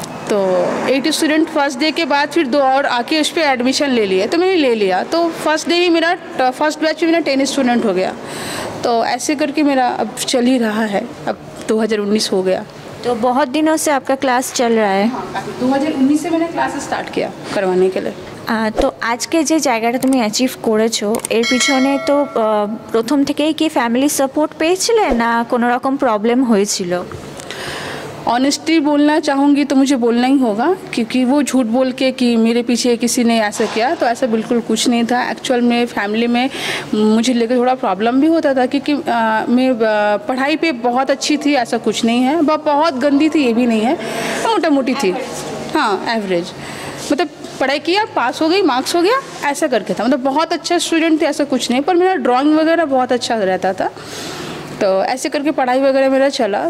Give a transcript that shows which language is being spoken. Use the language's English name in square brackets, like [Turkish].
[Hindi] तो 8 student first day के बाद फिर दो और आके उस पर एडमिशन ले लिए, तो मैंने ले लिया। तो फर्स्ट डे ही मेरा फर्स्ट बैच में मेरा 10 स्टूडेंट हो गया। तो ऐसे करके मेरा अब चल ही रहा है, अब 2019 हो गया। तो बहुत दिनों से आपका क्लास चल रहा है? 2019 से मैंने क्लास स्टार्ट किया करवाने के लिए। [Bangla] তো আজকে যে জায়গাটা তুমি অ্যাচিভ করেছো, এর পিছনে তো প্রথম থেকেই কি ফ্যামিলি সাপোর্ট পেয়েছিলে না কোনো রকম প্রবলেম হয়েছিল? [Hindi] ऑनेस्टली बोलना चाहूँगी तो मुझे बोलना ही होगा, क्योंकि वो झूठ बोल के कि मेरे पीछे किसी ने ऐसा किया, तो ऐसा बिल्कुल कुछ नहीं था। एक्चुअल में फैमिली में मुझे लेकर थोड़ा प्रॉब्लम भी होता था, क्योंकि मैं पढ़ाई पे बहुत अच्छी थी, ऐसा कुछ नहीं है, बहुत गंदी थी ये भी नहीं है, मोटा मोटी थी, हाँ एवरेज, मतलब पढ़ाई किया, पास हो गई, मार्क्स हो गया, ऐसा करके था, मतलब बहुत अच्छा स्टूडेंट थी ऐसा कुछ नहीं, पर मेरा ड्राइंग वगैरह बहुत अच्छा रहता था, तो ऐसे करके पढ़ाई वगैरह मेरा चला।